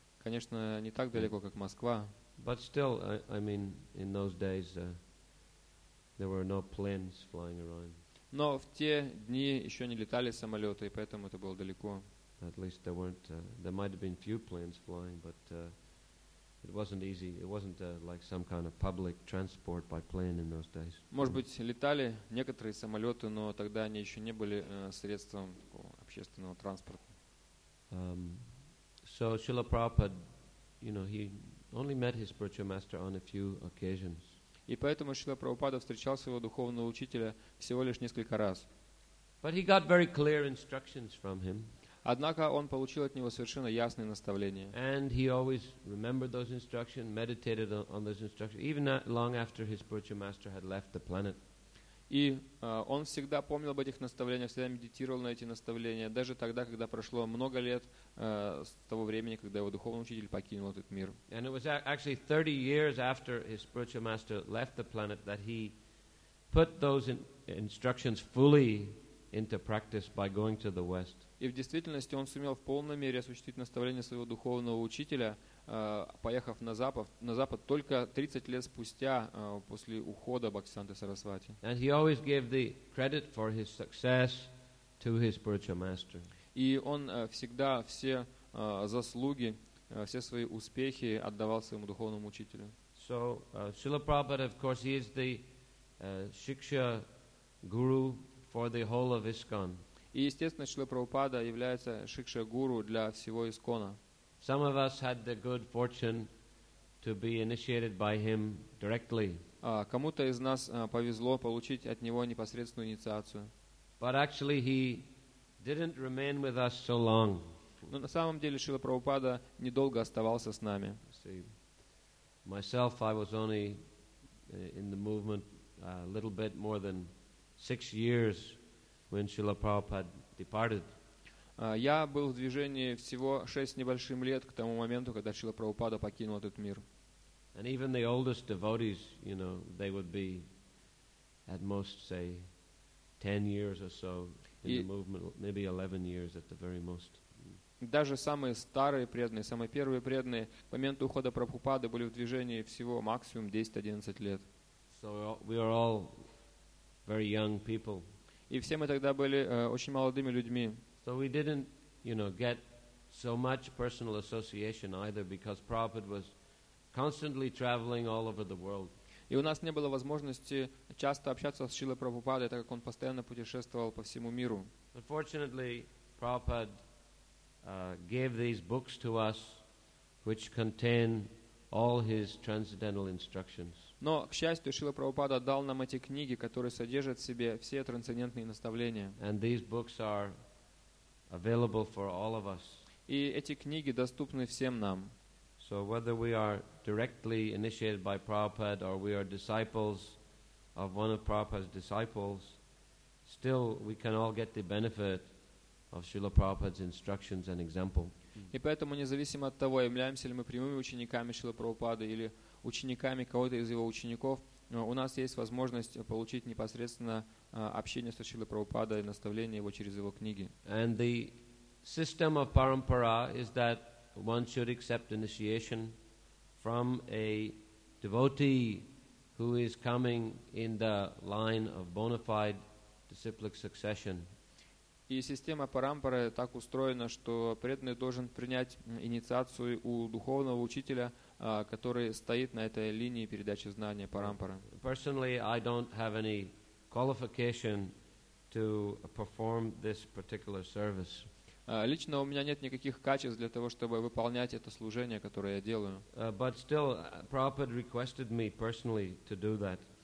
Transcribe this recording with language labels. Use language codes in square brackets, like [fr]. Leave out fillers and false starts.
[ru] Конечно, не так далеко, как Москва. [en] But still, I mean, in those days, there were no planes flying around. [ru] Но в те дни еще не летали самолеты, и поэтому это было далеко. [en] At least there weren't, there might have been few planes flying, but it wasn't easy. It wasn't like some kind of public transport by plane in those days. [ru] Может быть, летали некоторые самолеты, но тогда они еще не были средством общественного транспорта. [en] So Srila Prabhupada, you know, he only met his spiritual master on a few occasions. [ru] И поэтому Шрила Прабхупада встречал своего духовного учителя всего лишь несколько раз. [en] But he got very clear instructions from him. [ru] Однако он получил от него совершенно ясные наставления. [en] And he always remembered those instructions, meditated on those instructions, even long after his spiritual master had left the planet. [ru] И он всегда помнил об этих наставлениях, всегда медитировал на эти наставления, даже тогда, когда прошло много лет с того времени, когда его духовный учитель покинул этот мир. [en] And it was actually 30 years after his spiritual master left the planet that he put those instructions fully into practice by going to the West. [ru] И в действительности он сумел в полной мере осуществить наставления своего духовного учителя, поехав на запад только 30 лет спустя после ухода Бхактисиддханты Сарасвати. [en] And he always gave the credit for his success to his spiritual master. [ru] И он всегда все заслуги, все свои успехи отдавал своему духовному учителю. [en] So Srila Prabhupada, of course, he is the Shiksha Guru for the whole of ISKCON. [ru] И естественно, Шрила Прабхупада является Шикша Гуру для всего ИСКОНа. [en] Some of us had the good fortune to be initiated by him directly. [ru] Кому-то из нас повезло получить от него непосредственную инициацию. [en] But actually he didn't remain with us so long. [ru] Но на самом деле Шрила Прабхупада недолго оставался с нами. [en] Myself, I was only in the movement a little bit more than 6 years when Srila Prabhupada departed. [ru] Я был в движении всего 6 небольших лет к тому моменту, когда Шрила Прабхупада покинул этот мир. [en] And even the oldest devotees, you know, they would be at most, say, 10 years or so in the movement, maybe 11 years at the very most. [ru] Даже самые старые преданные, самые первые преданные, в момент ухода Прабхупады были в движении всего максимум 10-11 лет. [en] So we are all very young people. [ru] И все мы тогда были очень молодыми людьми. [en] So we didn't, you know, get so much personal association either because Prabhupada was constantly traveling all over the world. [ru] И у нас не было возможности часто общаться с Шрилой Прабхупадой, так как он постоянно путешествовал по всему миру. [en] But fortunately, Prabhupada gave these books to us, which contain all his transcendental instructions. [ru] Но, к счастью, Шрила Прабхупада дал нам эти книги, которые содержат в себе все трансцендентные наставления. [en] And these books are available for all of us. [ru] И эти книги доступны всем нам. [en] So whether we are directly initiated by Prabhupada or we are disciples of one of Prabhupada's disciples, still we can all get the benefit of Srila Prabhupada's instructions and example. [ru] И поэтому, независимо от того, являемся ли мы прямыми учениками Шрилы Прабхупады или учениками кого-то из его учеников, у нас есть возможность получить непосредственно общение со Шрилой Прабхупадой и наставление его через его книги. [en] And the system of parampara is that one should accept initiation from a devotee who is coming in the line of bona fide disciplic succession. [ru] И система парампары так устроена, что преданный должен принять инициацию у духовного учителя, который стоит на этой линии передачи знания парампары. [en] Personally, I don't have any qualification to perform this particular service. [ru] Лично у меня нет никаких качеств для того, чтобы выполнять это служение, которое я делаю. [en] But still, Prabhupada requested me personally to do that.